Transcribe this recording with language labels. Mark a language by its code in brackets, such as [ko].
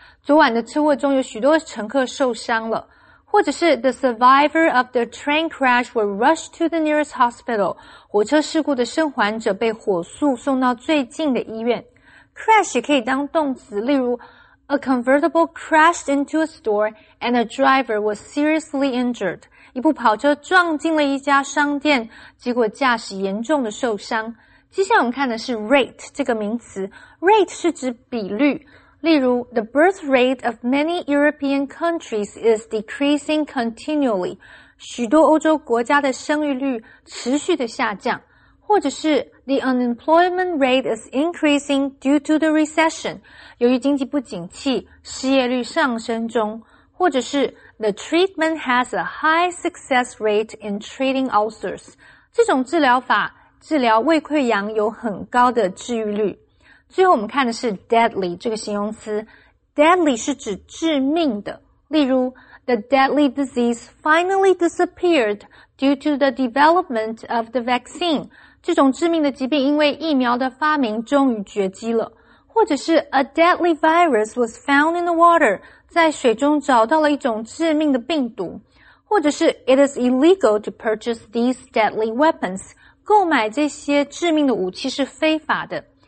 [zh] 昨晚的车祸中有许多乘客受伤了。或者是 [en] the survivor of the train crash were rushed to the nearest hospital. [zh] 火车事故的生还者被火速送到最近的医院。 [en] Crash [zh] 也可以当动词，例如 [en] a convertible crashed into a store and a driver was seriously injured. [zh] 一部跑车撞进了一家商店，结果驾驶严重的受伤。接下来我们看的是 rate 这个名词。Rate 是指比率。例如 [en] ,the birth rate of many European countries is decreasing continually. [zh] 许多欧洲国家的生育率持续的下降。或者是 [en] ,the unemployment rate is increasing due to the recession. [zh] 由于经济不景气失业率上升中。或者是 [en] ,the treatment has a high success rate in treating ulcers. [zh] 这种治疗法治疗胃溃疡有很高的治愈率。最后我们看的是 deadly 这个形容词。deadly 是指致命的。例如 [en] ,the deadly disease finally disappeared due to the development of the vaccine. [zh] 这种致命的疾病因为疫苗的发明终于绝迹了。或者是 [en] ,a deadly virus was found in the water, [zh] 在水中找到了一种致命的病毒。或者是 [en] ,it is illegal to purchase these deadly weapons. [zh] 购买这些致命的武器是非法的。